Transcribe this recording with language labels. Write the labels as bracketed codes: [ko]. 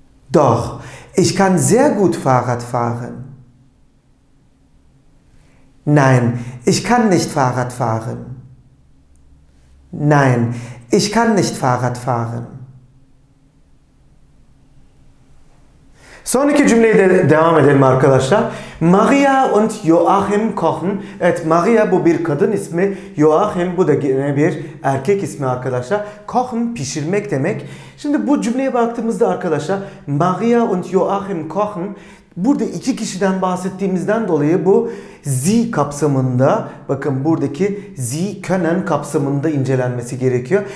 [de] Doch, ich kann sehr gut Fahrrad fahren. Nein, ich kann nicht Fahrrad fahren. Nein, ich kann nicht Fahrrad fahren. [tr] Son iki cümleyi de devam edelim arkadaşlar. [de] Maria und Joachim kochen. [tr] Evet, Maria bu bir kadın ismi. Joachim bu da yine bir erkek ismi arkadaşlar. Kochen pişirmek demek. Şimdi bu cümleye baktığımızda arkadaşlar [de] Maria und Joachim kochen. [tr] Burada iki kişiden bahsettiğimizden dolayı bu sie kapsamında, bakın buradaki [de] sie können [tr] kapsamında incelenmesi gerekiyor.